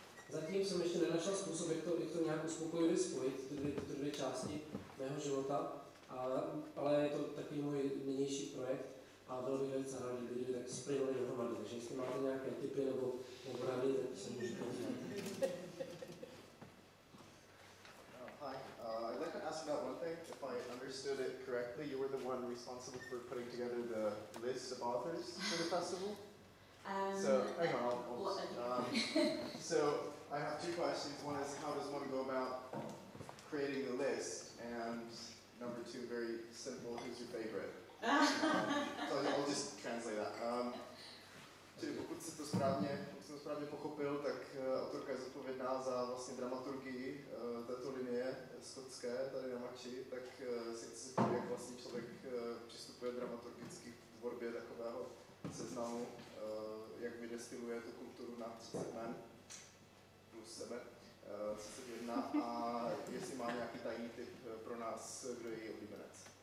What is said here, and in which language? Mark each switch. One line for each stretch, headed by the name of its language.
Czech: Zatím jsem ještě nenašel způsob, jak to nějak uspokojivě spojit, ty dvě části mého života, ale je to takový můj nynější projekt a velmi velice rád, kdyby lidi tak splnili dohromady. Takže jestli máte nějaké tipy nebo rady, tak se můžete podívat.
English: I'd like to ask about one thing. If I understood it correctly, you were the one responsible for putting together the list of authors for the festival. So hang on, so I have two questions. One is, how does one go about creating the list? And number two, very simple, who's your favorite? So I'll just translate that.
Czech: Čili pokud jsem to správně, pochopil, tak autorka je zodpovědná za vlastně dramaturgii této linie skotské tady na Mači, tak si chci zeptat, jak vlastně člověk přistupuje dramaturgicky k tvorbě takového seznamu, jak vydestiluje tu kulturu na 30 men plus sebe, 31, a jestli má nějaký tajný tip pro nás, kdo je její oblíbenec.